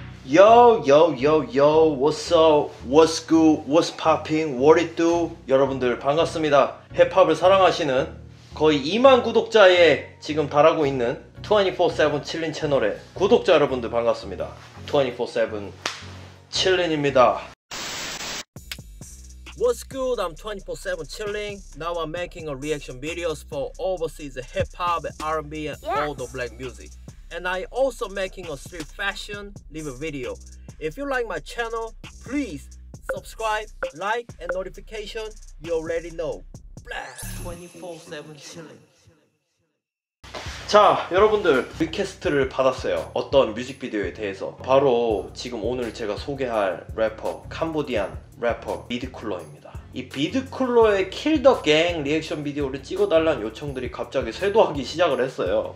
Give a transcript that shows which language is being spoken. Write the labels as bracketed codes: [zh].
[en] Yo, what's up, what's good, what's popping, what it do? [ko] 여러분들 반갑습니다. 힙합을 사랑하시는 거의 2만 구독자에 지금 달하고 있는 24/7 칠린 채널의 구독자 여러분들 반갑습니다. 24/7 칠린입니다. [en] What's good, I'm 24/7 chilling. Now I'm making a reaction videos for overseas hip-hop, R&B, and all the black music. And I also making a street fashion live video. If you like my channel, please subscribe, like, and notification. You already know. Blast 24/7 chilling. [ko] 자, 여러분들 리퀘스트를 받았어요. 어떤 뮤직비디오에 대해서. 바로 지금 오늘 제가 소개할 래퍼, 캄보디안 래퍼 비드쿨러입니다. 이 비드쿨러의 킬더갱 리액션 비디오를 찍어달라는 요청들이 갑자기 쇄도하기 시작을 했어요.